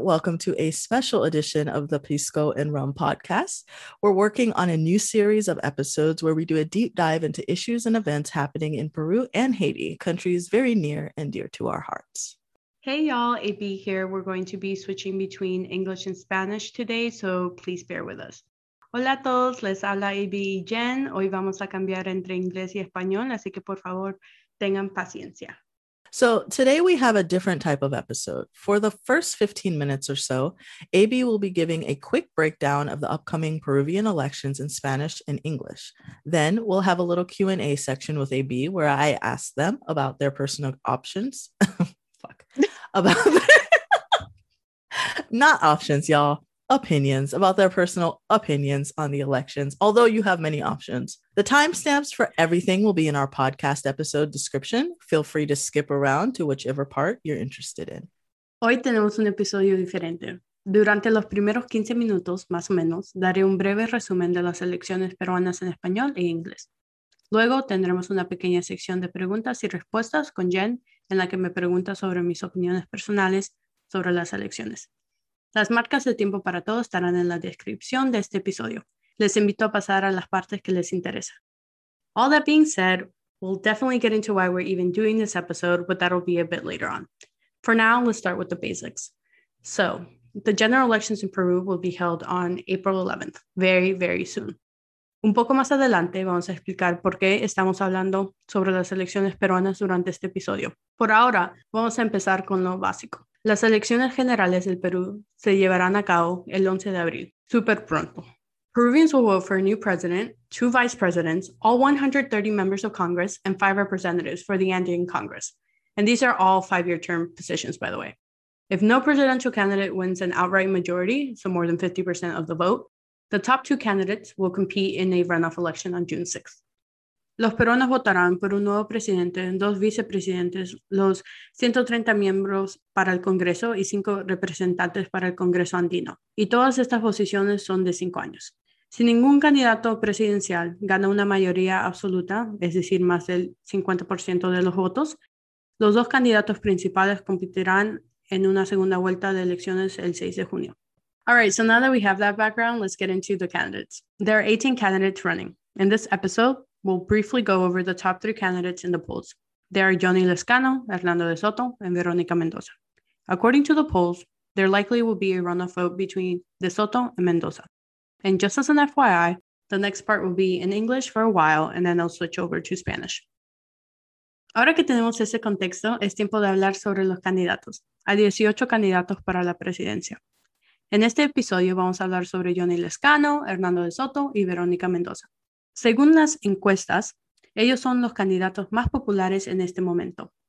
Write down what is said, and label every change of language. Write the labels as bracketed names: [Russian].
[English] Welcome to a special edition of the Pisco and Rum podcast. We're working on a new series of episodes where we do a deep dive into issues and events happening in Peru and Haiti, countries very near and dear to our hearts. Hey y'all, AB here. We're going to be switching between English and Spanish today, so please bear with us. [Spanish] Hola a todos, les habla AB y Jen. Hoy vamos a cambiar entre inglés y español, así que por favor, tengan paciencia. [English] So today we have a different type of episode. For the first 15 minutes or so, AB will be giving a quick breakdown of the upcoming Peruvian elections in Spanish and English. Then we'll have a little Q&A section with AB where I ask them about their personal options. Fuck. Not options, y'all. Opinions about their personal opinions on the elections, although you have many options. The timestamps for everything will be in our podcast episode description. Feel free to skip around to whichever part you're interested in. [Spanish] Hoy tenemos un episodio diferente. Durante los primeros 15 minutos, más o menos, daré un breve resumen de las elecciones peruanas en español e inglés. Luego tendremos una pequeña sección de preguntas y respuestas con Jen, en la que me pregunta sobre mis opiniones personales sobre las elecciones. Las marcas de tiempo para todos estarán en la descripción de este episodio. Les invito a pasar a las partes que les interesa. [English] All that being said, we'll definitely get into why we're even doing this episode, but that'll be a bit later on. For now, let's start with the basics. So, the general elections in Peru will be held on April 11th, very, very soon. [Spanish] Un poco más adelante vamos a explicar por qué estamos hablando sobre las elecciones peruanas durante este episodio. Por ahora, vamos a empezar con lo básico. Las elecciones generales del Perú se llevarán a cabo el 11 de abril, súper pronto. [English] Peruvians will vote for a new president, two vice presidents, all 130 members of Congress, and five representatives for the Andean Congress. And these are all five-year term positions, by the way. If no presidential candidate wins an outright majority, so more than 50% of the vote, the top two candidates will compete in a runoff election on June 6th. [Spanish] Los peruanos votarán por un nuevo presidente, dos vicepresidentes, los 130 miembros para el Congreso y cinco representantes para el Congreso andino. Y todas estas posiciones son de 5 años. Si ningún candidato presidencial gana una mayoría absoluta, es decir, más del 50% de los votos, los dos candidatos principales competirán en una segunda vuelta de elecciones el 6 de junio. [English] All right, so now that we have that background, let's get into the candidates. There are 18 candidates running. In this episode, we'll briefly go over the top three candidates in the polls. They are Johnny Lescano, Hernando de Soto, and Veronica Mendoza. According to the polls, there likely will be a runoff vote between de Soto and Mendoza. And just as an FYI, the next part will be in English for a while, and then I'll switch over to Spanish. [Spanish] Ahora que tenemos ese contexto, es tiempo de hablar sobre los candidatos. Hay 18 candidatos para la presidencia. En este episodio vamos a hablar sobre Johnny Lescano, Hernando de Soto y Veronica Mendoza. Según las encuestas, ellos son los candidatos más populares en este momento.